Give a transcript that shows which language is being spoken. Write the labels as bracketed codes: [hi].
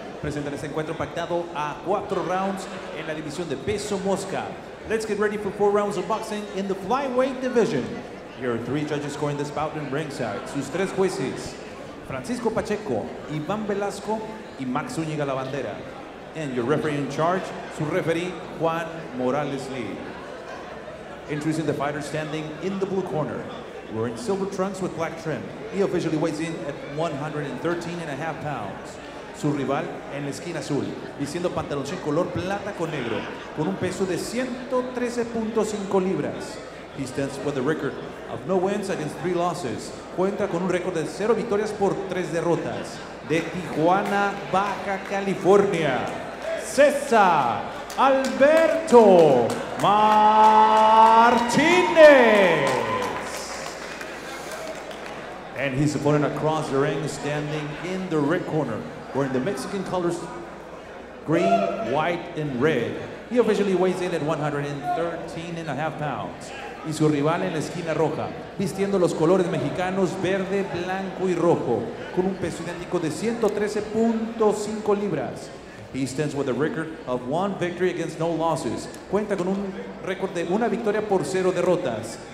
[es] Presentan este encuentro pactado a cuatro rounds en la división de peso mosca. [en] Let's get ready for four rounds of boxing in the flyweight division. Your three judges scoring this bout in ringside. [es] Sus tres jueces, Francisco Pacheco, Iván Velasco, y Max Zúñiga La Bandera. [en] And your referee in charge, [es] su referee, [en] Juan Morales Lee. Introducing the fighter standing in the blue corner, wearing silver trunks with black trim. He officially weighs in at 113.5 pounds. [es] Su rival en la esquina azul, vistiendo pantalones en color plata con negro, con un peso de 113.5 libras. [en] He stands for the record of no wins against three losses. [es] Cuenta con un récord de 0 victorias por 3 derrotas. De Tijuana, Baja California, César Alberto Martinez. [en] And his opponent across the ring, standing in the red corner, wearing the Mexican colors, green, white, and red. He officially weighs in at 113.5 pounds. [es] Y su rival en la esquina roja, vistiendo los colores mexicanos, verde, blanco, y rojo, con un peso idéntico de 113.5 libras. [en] He stands with a record of 1 victory against no losses. [es] Cuenta con un récord de 1 victoria por 0 derrotas.